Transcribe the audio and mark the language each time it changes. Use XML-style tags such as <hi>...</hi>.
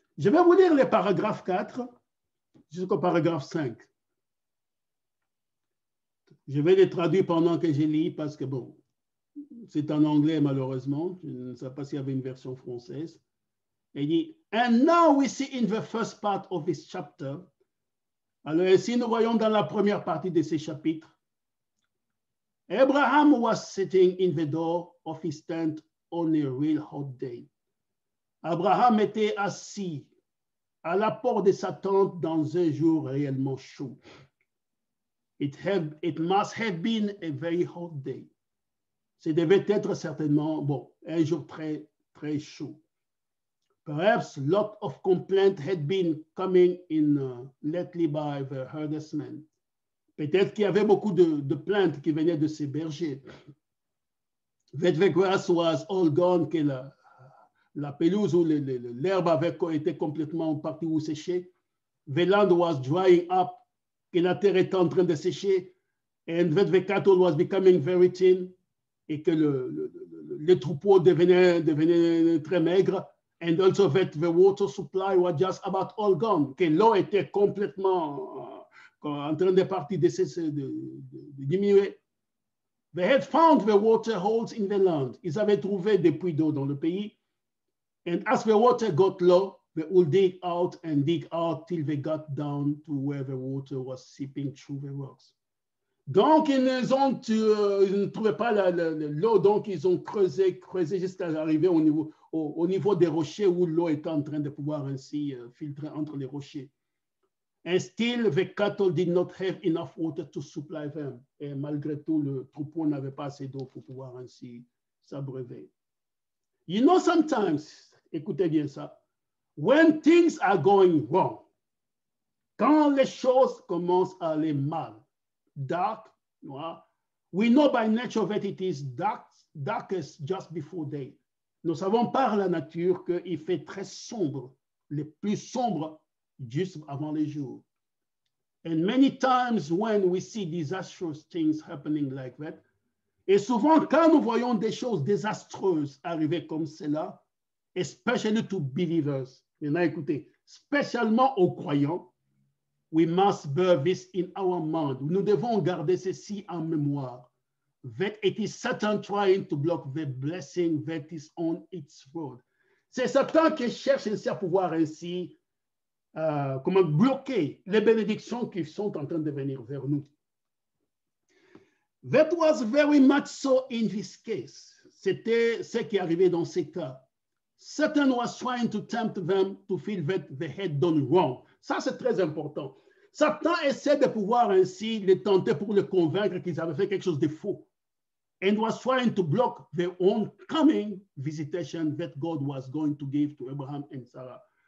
<fr>Je vais vous lire le paragraphe 4 jusqu'au paragraphe 5. Je vais les traduire pendant que je lis parce que, bon, c'est en anglais, malheureusement. Je ne sais pas s'il y avait une version française. Il dit,</fr> <en>and now we see in the first part of this chapter.</en> <fr>Alors, ici, nous voyons dans la première partie de ce chapitre.</fr> <en>Abraham was sitting in the door of his tent on a real hot day.</en> <fr>Abraham était assis à la porte de sa tente dans un jour réellement chaud.</fr> <en>It must have been a very hot day.</en> <fr>Ce devait être certainement, bon, un jour très, très chaud.</fr> <en>Perhaps a lot of complaint had been coming in lately by the herdsmen.</en> <fr>Peut-être qu'il y avait beaucoup de plaintes qui venaient de ces bergers.</fr> <en>That the grass was all gone,</en> <fr>que la pelouse ou l'herbe avait été complètement partie ou séchée.</fr> <en>The land was drying up,</en> <fr>que la terre était en train de sécher,</fr> <en>and that the cattle was becoming very thin,</en> <fr>et que le troupeau devenait très maigre,</fr> <en>and also that the water supply was just about all gone,</en> <fr>que l'eau était complètement en train de partir, de diminuer.</fr> <en>They had found the water holes in the land.</en> <fr>Ils avaient trouvé des puits d'eau dans le pays,</fr> <en>and as the water got low, they would dig out and dig out till they got down to where the water was seeping through the rocks.</en> <fr>Donc, ils ne trouvaient pas l'eau, donc ils ont creusé jusqu'à arriver au niveau des rochers où l'eau était en train de pouvoir ainsi filtrer entre les rochers.</fr> <en>And still, the cattle did not have enough water to supply them.</en> <fr>Et malgré tout, le troupeau n'avait pas assez d'eau pour pouvoir ainsi s'abreuver.</fr> <en>You know, sometimes,</en> <fr>écoutez bien ça,</fr> <en>when things are going wrong,</en> <fr>quand les choses commencent à aller mal,</fr> <en>dark,</en> <fr>noir,</fr> <en>we know by nature that it is darkest just before day.</en> <fr>Nous savons par la nature qu'il fait très sombre, le plus sombre juste avant le jour.</fr> <en>And many times when we see disastrous things happening like that,</en> <fr>et souvent quand nous voyons des choses désastreuses arriver comme cela,</fr> <en>especially to believers,</en> <fr>maintenant, écoutez, spécialement aux croyants,</fr> <en>we must bear this in our mind.</en> <fr>Nous devons garder ceci en mémoire.</fr> <en>That it is Satan trying to block the blessing that is on its road.</en> <fr>C'est Satan qui cherche ainsi à pouvoir ainsi comment bloquer les bénédictions qui sont en train de venir vers nous.</fr> <en>That was very much so in this case.</en> <fr>C'était ce qui arrivait dans ces cas.</fr> <en>Satan was trying to tempt them to feel that they had done wrong.</en> <fr>Ça, c'est très important. Satan essaie de pouvoir ainsi les tenter pour les convaincre qu'ils avaient fait quelque chose de faux.</fr> <en>And was trying to block their own coming visitation that God was going to give to Abraham and Sarah.</en>